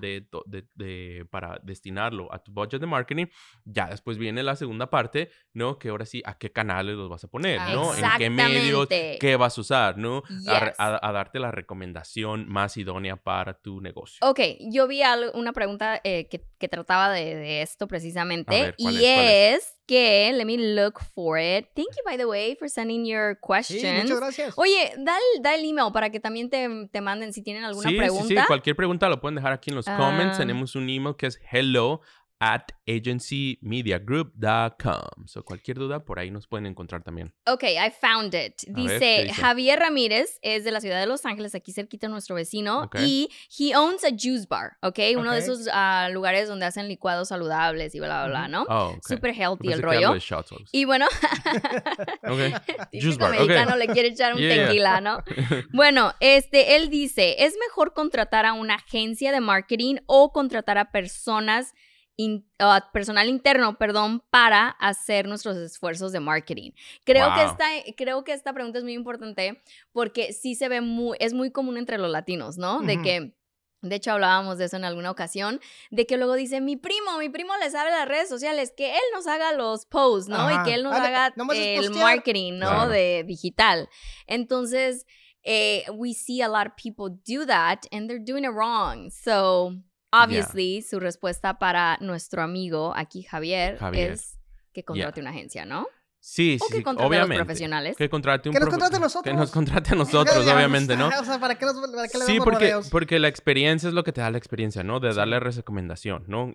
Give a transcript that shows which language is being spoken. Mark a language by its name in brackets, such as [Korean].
[Spanish] De para destinarlo a tu budget de marketing, ya después viene la segunda parte, ¿no? Que ahora sí, ¿a qué canales los vas a poner, ¿no? ¿En qué medio? ¿Qué vas a usar, ¿no? A darte la recomendación más idónea para tu negocio. Ok, yo vi una pregunta que trataba de esto precisamente. A ver, ¿cuál es? Que, [English] let me look for it. Thank you, by the way, for sending your questions. [Spanish] Sí, muchas gracias. Oye, da el email para que también te manden si tienen alguna pregunta. Sí, sí, cualquier pregunta lo pueden dejar aquí en los comments. Tenemos un email que es hello@agencymediagroup.com. So, cualquier duda, por ahí nos pueden encontrar también. [English] Ok, I found it. [Spanish] Dice, Javier Ramírez es de la ciudad de Los Ángeles, aquí cerquita nuestro vecino. Okay. Y [English] he owns a juice bar, [Spanish] okay? Uno de esos lugares donde hacen licuados saludables y bla, bla, bla, ¿no? [English] Oh, okay. Super healthy [Spanish] el rollo. [English] Shots, [Spanish] y bueno, [English] okay. Juice bar. [Spanish] Mexicano, [English] okay. [Spanish] Le quiere echar un tequila, ¿no? Bueno, él dice, ¿es mejor contratar a una agencia de marketing o contratar a personal interno, para hacer nuestros esfuerzos de marketing? Creo que esta pregunta es muy importante porque sí se ve es muy común entre los latinos, ¿no? Uh-huh. De hecho, hablábamos de eso en alguna ocasión, de que luego dice, mi primo le sabe las redes sociales, que él nos haga los posts, ¿no? Ajá. Y que él nos haga el marketing, ¿no? Claro. De digital. [English] Entonces, we see a lot of people do that and they're doing it wrong. So... [Spanish] Obviously, su respuesta para nuestro amigo aquí, Javier. Es que contrate una agencia, ¿no? Sí, o sí, que obviamente. Los profesionales. Que contrate Que nos contrate a nosotros. Que nos contrate a nosotros, obviamente, ¿no? O sea, ¿para qué sí, porque la experiencia es lo que te da la experiencia, ¿no? De darle recomendación, ¿no?